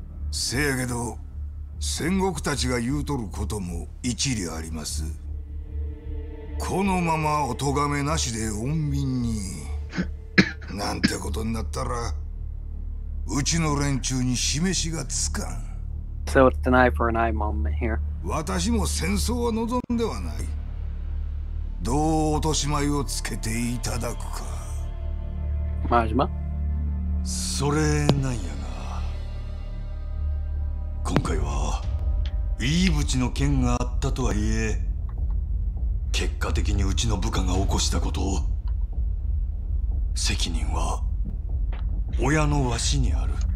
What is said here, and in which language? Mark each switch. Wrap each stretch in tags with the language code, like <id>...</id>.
<ja>せやけど、戦国たちが言うとることも一理あります。このままお咎めなしで穏便に、なんてことになったら、うちの連中に示しがつかん。</ja> <en>So it's an eye for an eye moment here.</en> <ja>私も戦争は望んではない。どう落とし前をつけていただくか。マジマ、それなんやが、今回は飯淵の件があったとはいえ、結果的にうちの部下が起こしたこと、責任は親のわしにある。</ja>